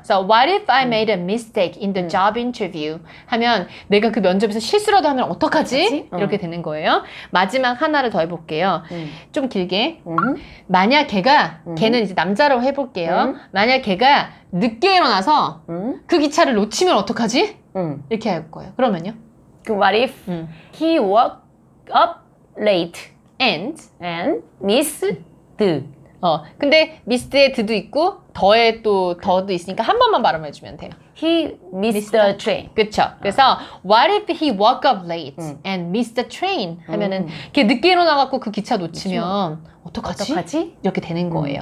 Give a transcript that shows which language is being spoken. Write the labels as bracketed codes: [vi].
[en] So what if I made a mistake in the job interview? [ko] 하면 내가 그 면접에서 실수라도 하면 어떡하지? 이렇게 되는 거예요. 마지막 하나를 더 해볼게요. 좀 길게. 만약 걔가, 걔는 이제 남자로 해볼게요. 만약 걔가 늦게 일어나서 그 기차를 놓치면 어떡하지? 이렇게 할 거예요. 그러면요? [en] What if he woke up late and missed the [ko] 근데 미스드의 드도 있고 더의 또 더도 있으니까 한 번만 발음해주면 돼요. [en] He missed the train. [ko] 그렇죠. 그래서 [en] what if he woke up late and missed the train [ko] 하면은 걔 늦게 일어나갖고 그 기차 놓치면 어떡하지? 이렇게 되는 거예요.